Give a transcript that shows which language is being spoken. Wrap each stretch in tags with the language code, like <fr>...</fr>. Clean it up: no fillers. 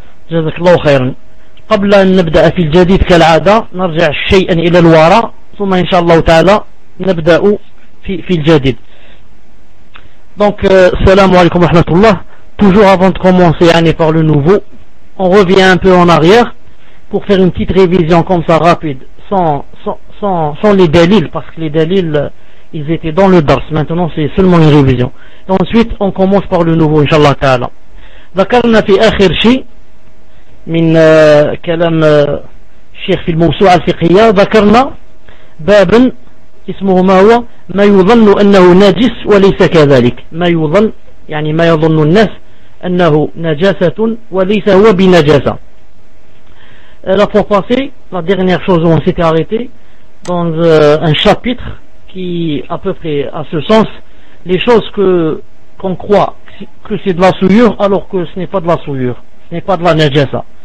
<ar>جزاك الله خيرا. قبل أن نبدأ في الجديد كالعادة، نرجع شيئا إلى الوراء، ثم إن شاء الله تعالى نبدأ في الجديد.</ar> <fr>Donc, salam alaykoum wa rahmatullah. Toujours avant de commencer par le nouveau, on revient un peu en arrière pour faire une petite révision comme ça rapide, sans les dalils, parce que les dalils, ils étaient dans le dars. Maintenant, c'est seulement une révision. Et ensuite, on commence par le nouveau, inshallah ta'ala.</fr> <ar>Dakarna fi akhir shi, min kalam shaykh fi al-mawsu' al-fiqhiya, dakarna baben. اسمه ما هو؟ ما يظن أنه نجس وليس كذلك. ما يظن يعني ما يظن الناس أنه نجاسة وليس هو بنجاسة.</ar> <fr>La fois passée, la dernière chose où on s'était arrêté dans un chapitre qui à peu près à ce sens, les choses qu'on croit que c'est de la souillure alors que ce n'est pas de la souillure, ce n'est pas de la نجاسة.</fr>